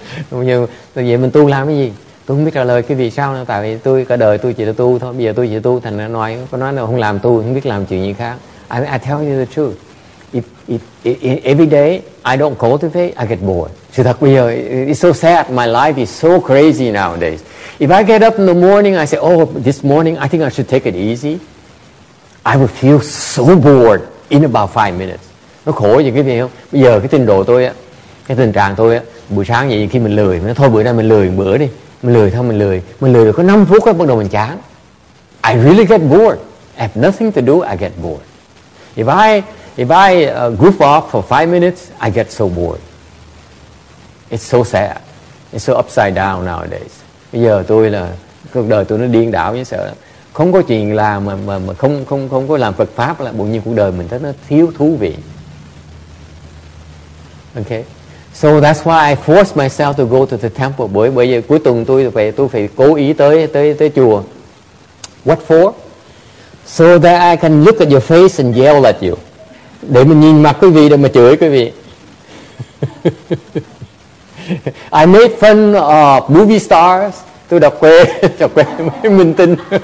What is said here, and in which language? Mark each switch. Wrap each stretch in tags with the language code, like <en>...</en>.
<vi>Đúng như vậy mình tu làm cái gì? Tôi không biết trả lời cái vì sao nữa. Tại vì tôi cả đời tôi chỉ là tu thôi. Bây giờ tôi chỉ tu, thành ra nói có nói là không làm tu, không biết làm chuyện gì khác.</vi> <en>I tell you the truth. If every day I don't cultivate, I get bored.</en> <vi>Sự thật bây giờ,</vi> <en>it's so sad. My life is so crazy nowadays. If I get up in the morning, I say, oh, this morning, I think I should take it easy. I would feel so bored in about 5 minutes.</en> <vi>Nó khổ gì cái gì không? Bây giờ cái tình độ tôi á, cái tình trạng tôi á, buổi sáng vậy khi mình lười, mình nói, thôi bữa nay mình lười bữa đi. Mình lười được có 5 phút á, bắt đầu mình chán.</vi> <en>I really get bored. I have nothing to do, I get bored. If I If I goof off for 5 minutes, I get so bored. It's so sad. It's so upside down nowadays.</en> <vi>Bây giờ tôi là cuộc đời tôi nó điên đảo như sợ. Không có chuyện làm mà không có làm Phật pháp là bỗng nhiên cuộc đời mình nó thiếu thú vị.</vi> <en>Okay. So that's why I force myself to go to the temple.</en> <vi>Bởi vì cuối tuần tôi phải cố ý tới chùa.</vi> <en>What for? So that I can look at your face and yell at you.</en> <vi>Để mình nhìn mặt quý vị để mà chửi quý vị.</vi> <en>I made fun of movie stars.</en> <vi>Tôi đọc quê, đọc quê mấy minh tinh.</vi>